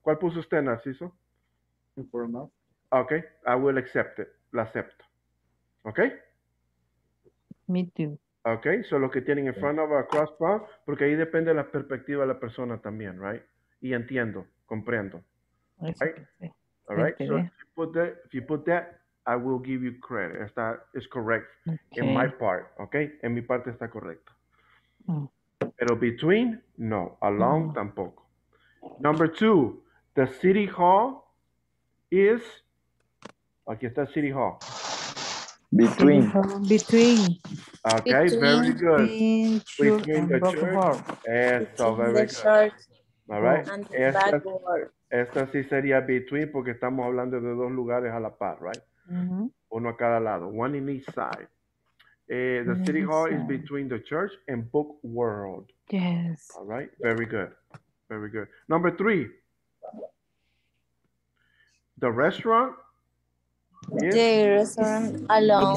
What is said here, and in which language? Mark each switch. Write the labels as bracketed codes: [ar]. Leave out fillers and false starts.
[es] ¿Cuál puso usted, Narciso? Informal. [en] Okay. I will accept it. [es] La acepto. [en] Okay. Me too. [es] Okay, so lo que tienen [en] in front of or across from, [es] porque ahí depende la perspectiva de la persona también, [en] right? [es] Y entiendo, comprendo. [en] Right? All right, so if you put that, I will give you credit. [es] Está, [en] it's correct okay. In my part, okay? [es] En mi parte está correcto. Oh. Pero [en] between, no. Along, no. [es] Tampoco. [en] Number two, the city hall is, [es] aquí está [en] city hall. Between. Okay, between. Very good. Between the church. [es] Eso, [en] very good. Church. All right. And [es] esta sí sería between porque estamos hablando de dos lugares a la par, [en] right? Mm-hmm. [es] Uno a cada lado. [en] One in each side. The city hall is between the church and book world. Yes. All right. Very good. Very good. Number three. The restaurant. Yes. The restaurant alone.